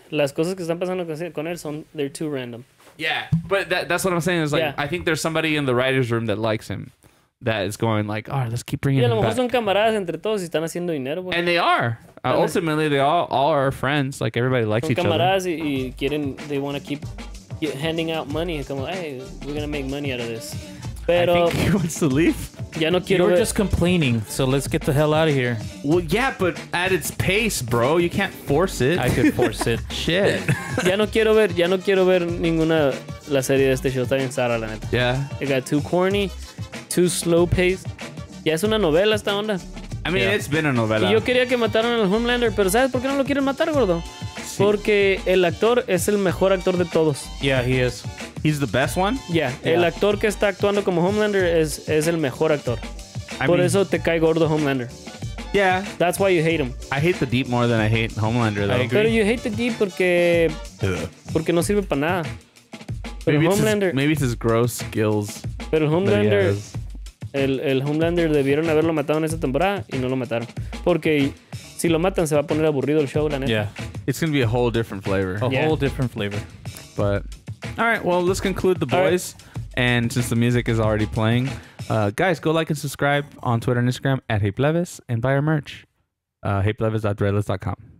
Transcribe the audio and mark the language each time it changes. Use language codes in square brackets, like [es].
[es] Las cosas que están pasando con él son [en] they're too random. Yeah, but that's what I'm saying is like yeah. I think there's somebody in the writers' room that likes him. That is going like, all right, let's keep bringing him back. [es] Son camaradas entre todos y están haciendo dinero, [en] and they are. Ultimately, they all are friends. Like, everybody likes [es] son [en] each [es] camaradas [en] other. [es] Y quieren, [en] they want to keep handing out money. And come like, hey, we're going to make money out of this. [es] Pero, [en] I think he wants to leave. [es] Ya no quiero [en] You're [es] ver. [en] Just complaining, so let's get the hell out of here. Well, yeah, but at its pace, bro. You can't force it. I could force it. Shit. [es] Ya no quiero ver ninguna la serie de este show. Está bien Sara, la neta. [en] Yeah. It got too corny. Too slow paced. [es] Ya es una novela esta onda. [en] I mean, yeah. It's been a novela. [es] Y yo quería que mataran al Homelander, pero ¿sabes por qué no lo quieren matar, gordo? Sí. Porque el actor es el mejor actor de todos. [en] Yeah, he is. He's the best one? Yeah, yeah. [es] El actor que está actuando como Homelander es el mejor actor. Por eso te cae gordo Homelander. [en] Yeah. That's why you hate him. I hate the Deep more than I hate Homelander, though. I agree. [es] Pero [en] you hate the Deep [es] porque no sirve para nada. [en] Maybe it's, Homelander, his, maybe it's his gross skills. [es] Pero Homelander, el Homelander debieron haberlo matado en esa temporada y no lo mataron. Porque si lo matan se va a poner aburrido el show, la neta. [en] Yeah. It's going to be a whole different flavor. Whole different flavor. But, all right, well, let's conclude the boys. Right. And since the music is already playing, guys, go like and subscribe on Twitter and Instagram @ Hey Plebes and buy our merch. HeyPlebes.threadless.com.